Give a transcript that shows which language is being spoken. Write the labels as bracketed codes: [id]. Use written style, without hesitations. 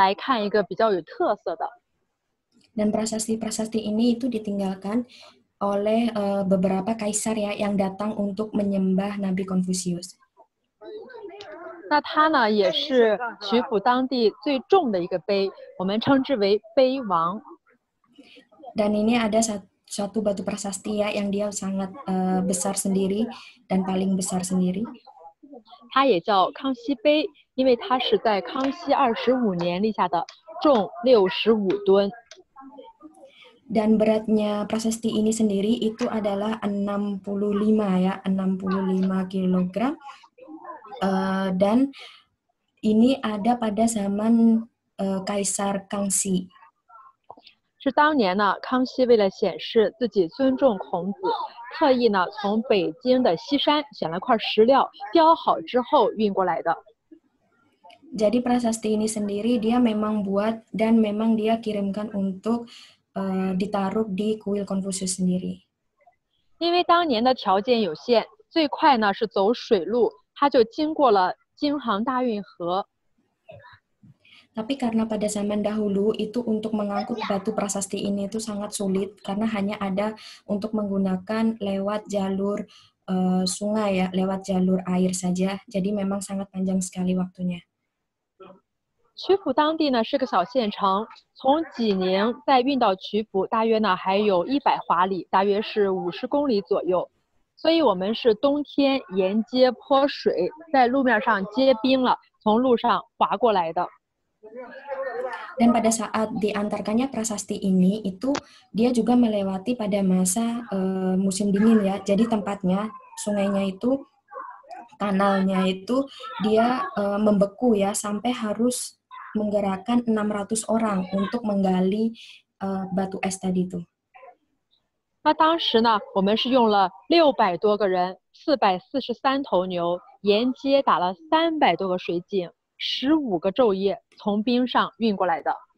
[zh] 这些碑上的内容啊，大多都是皇帝来修孔庙的圣旨，或者是对当地的一些记载。我们呢来看一个比较有特色的。 [id] Dan prasasti-prasasti ini itu ditinggalkan oleh beberapa kaisar ya yang datang untuk menyembah Nabi Konfusius. [zh] 那它呢也是曲阜当地最重的一个碑，我们称之为碑王。 [id] Dan ini ada satu batu prasasti ya yang dia sangat besar sendiri dan paling besar sendiri. [zh] 它也叫康熙碑，因为它是在康熙25年立下的，重65吨。 [id] Dan beratnya prasasti ini sendiri itu adalah 65 ya, 65 kilogram. Dan ini ada pada zaman Kaisar Kangxi. [zh] 是当年呢，康熙为了显示自己尊重孔子，特意呢从北京的西山选了块石料，雕好之后运过来的。 [id] Jadi prasasti ini sendiri dia memang buat dan memang dia kirimkan untuk ditaruh di kuil Confucius sendiri. [zh] 因为当年的条件有限，最快呢是走水路，他就经过了京杭大运河。 [id] Tapi karena pada zaman dahulu itu untuk mengangkut batu prasasti ini itu sangat sulit karena hanya ada untuk menggunakan lewat jalur sungai ya, lewat jalur air saja. Jadi memang sangat panjang sekali waktunya. [zh] 曲阜当地呢是个小县城，从济宁再运到曲阜，大约呢还有100华里，大约是50公里左右。所以我们是冬天沿街泼水，在路面上结冰了，从路上滑过来的。 [id] Dan pada saat diantarkannya prasasti ini itu dia juga melewati pada masa musim dingin ya. Jadi tempatnya sungainya itu kanalnya itu dia membeku ya sampai harus menggerakkan 600 orang untuk menggali batu es tadi itu. [zh] 那当时呢，我们是用了600多个人，443头牛，沿街打了300多个水井。 15个昼夜从冰上运过来的。